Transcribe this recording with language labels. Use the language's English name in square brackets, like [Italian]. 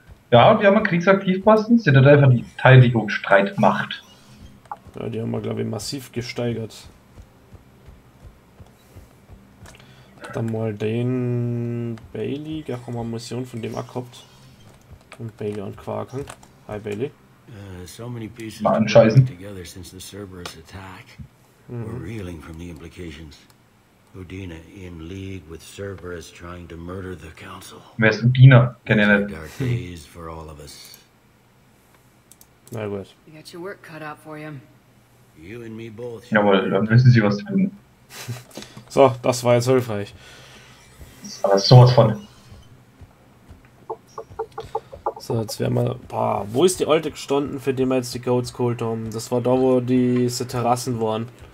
[German] Ja, und wir haben einen Kriegsaktivposten. Sind da einfach die Verteidigung Streitmacht. Ja, die haben wir, glaube ich, massiv gesteigert. Dann mal den Bailey. Der auch mal Mission von dem abkommt. Und Bailey und Quark. Hi, Bailey. [English] So many pieces coming together since the Cerberus attack. Mm-hmm. We're reeling from the implications. Udina in league with Cerberus trying to murder the council. [German] Wer ist Udina? Kennt ihr nicht? [English] Dark days for all of us. Very good. You got your work cut out for you. You and me both. [German] Jawohl, dann wissen sie, was zu tun. So, das war jetzt hilfreich. Aber sowas von. So, jetzt werden wir. Boah, wo ist die alte gestanden, für die wir jetzt die Goats geholt haben? Das war da, wo diese Terrassen waren.